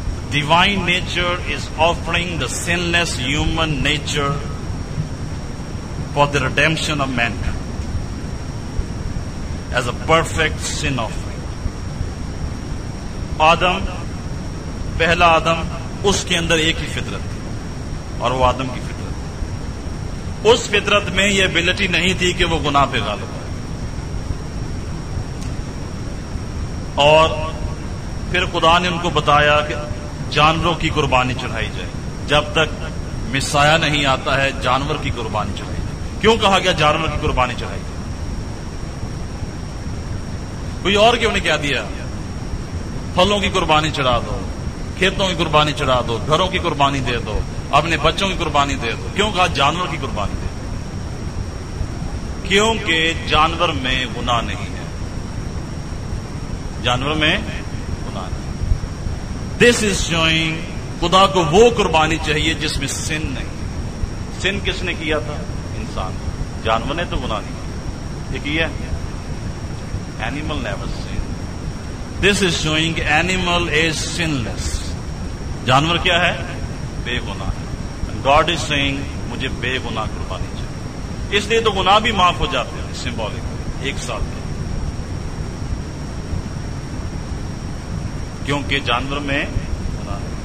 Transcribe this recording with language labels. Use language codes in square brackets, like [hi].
[en] Divine nature is offering the sinless human nature for the redemption of man as a perfect sin offering. [ur] آدم، پہلا آدم، اس کے اندر ایک ہی فطرت تھی اور وہ آدم کی فطرت. اس فطرت میں یہ ابلٹی نہیں تھی کہ وہ گناہ پہ غالب ہو. اور پھر خدا نے ان کو بتایا کہ جانوروں کی قربانی چڑھائی جائے. جب تک مسایا نہیں آتا ہے جانور کی قربانی چڑھائی جائے. کیوں کہا گیا جانور کی قربانی چڑھائی جائے؟ کوئی اور کیوں نے کہہ دیا پھلوں کی قربانی چڑھا دو، کھیتوں کی قربانی چڑھا دو، گھروں کی قربانی دے دو، اپنے بچوں کی قربانی دے دو؟ کیوں کہا جانور کی قربانی دے دو؟ کیونکہ جانور میں گناہ نہیں ہے. جانور میں گناہ نہیں. [en] this is showing [ur] خدا کو وہ قربانی چاہیے جس میں سن نہیں. سن کس نے کیا تھا؟ انسان. جانور نے تو گناہ نہیں کیا. یہ کیا؟ [en] Animal never sin. This is showing animal is sinless. [ur] جانور کیا ہے؟ بے گناہ. [en] God is saying [ur] مجھے بے گناہ قربانی چاہیے. اس لیے تو گناہ بھی معاف ہو جاتے ہیں سمبولک ایک سال کے، کیونکہ جانور میں گناہ.